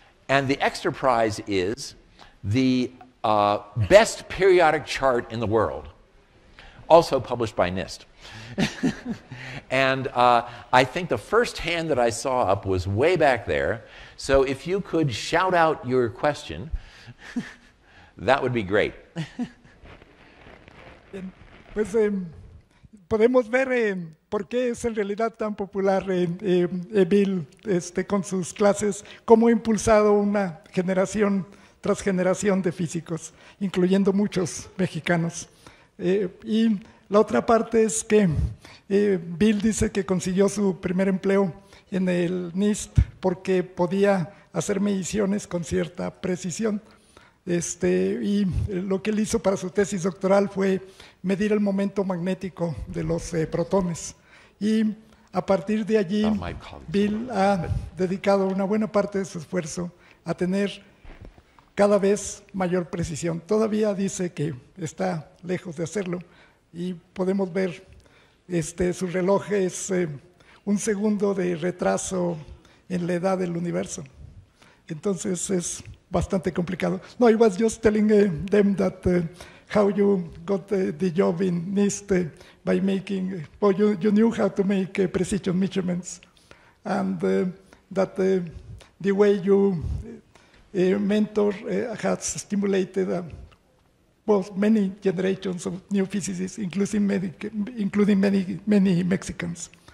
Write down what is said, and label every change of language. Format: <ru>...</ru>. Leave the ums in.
<en>And the extra prize is the uh, best periodic chart in the world, also published by NIST. and uh, I think the first hand that I saw up was way back there. So if you could shout out your question, that would be great.</en> <es>Bien. pues eh, podemos ver eh, por qué es en realidad tan popular eh, eh, Bill este, con sus clases, cómo ha impulsado una generación tras generación de físicos, incluyendo muchos mexicanos. Eh, y la otra parte es que eh, Bill dice que consiguió su primer empleo en el NIST porque podía hacer mediciones con cierta precisión. Este, y lo que él hizo para su tesis doctoral fue medir el momento magnético de los eh, protones. Y a partir de allí, oh, Bill ha dedicado una buena parte de su esfuerzo a tener cada vez mayor precisión. Todavía dice que está lejos de hacerlo y podemos ver este, su reloj es... Eh, un segundo de retraso en la edad del universo. Entonces es bastante complicado.</es> <en>No, I was just telling uh, them that uh, how you got uh, the, job in NIST uh, by making, well, you, you, knew how to make uh, precision measurements and uh, that uh, the way you uh, mentor uh, has stimulated uh, well, many generations of new physicists, including many, including many, many Mexicans.</en>